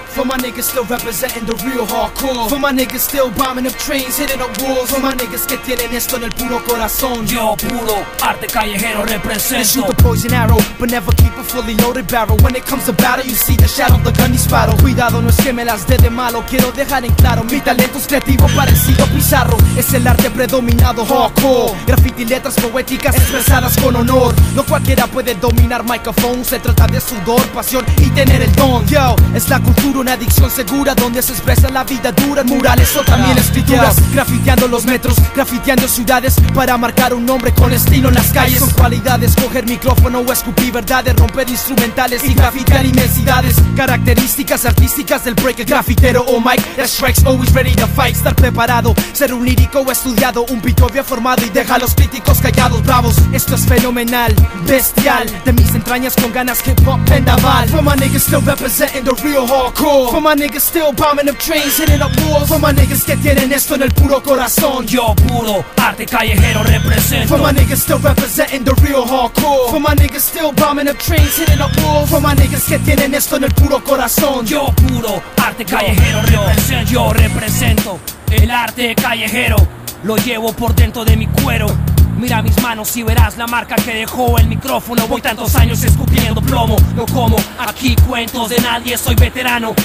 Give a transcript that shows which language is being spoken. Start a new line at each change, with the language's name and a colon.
English: my niggas still representing the real hardcore. For my niggas still bombing up trains, hitting up walls. For my niggas
Spanish: que tienen esto en el puro corazón. Yo puro arte callejero represento.
English: They shoot the poison arrow, but never keep a fully loaded barrel. When it comes to battle, you see the shadow of the gun disparo.
Spanish: Cuidado, no es que me las dé de malo. Quiero dejar en claro, mi talento es creativo parecido a Pizarro. Es el arte predominado hardcore. Graffiti, letras poéticas expresadas con honor. No cualquiera puede dominar microphone. Se trata de sudor, pasión y tener el don. Yo, es la cultura, una adicción segura, donde se expresa la vida dura en murales o también escrituras. Grafiteando los metros, grafiteando ciudades, para marcar un nombre con estilo en las calles. Son cualidades, coger micrófono o escupir verdades, romper instrumentales y grafitear inmensidades. Características artísticas del break, el grafitero o
English: mic that strikes, always ready to fight.
Spanish: Estar preparado, ser un lírico o estudiado, un pito bien formado y deja a los críticos callados, bravos. Esto es fenomenal, bestial, de mis entrañas con ganas hip hop vendaval.
English: For my niggas still representing the real hardcore. For my niggas still bombing up trains, hitting up walls. For my niggas
Spanish: que tienen esto en el puro corazón. Yo puro arte callejero represento.
English: For my niggas still representing the real hardcore. For my niggas still bombing up trains, hitting up walls. For my niggas
Spanish: que tienen esto en el puro corazón. Yo puro arte callejero represento. Yo represento el arte callejero. Lo llevo por dentro de mi cuero. Mira mis manos y verás la marca que dejó el micrófono. Voy tantos años escupiendo plomo. No como aquí cuentos de nadie, soy veterano.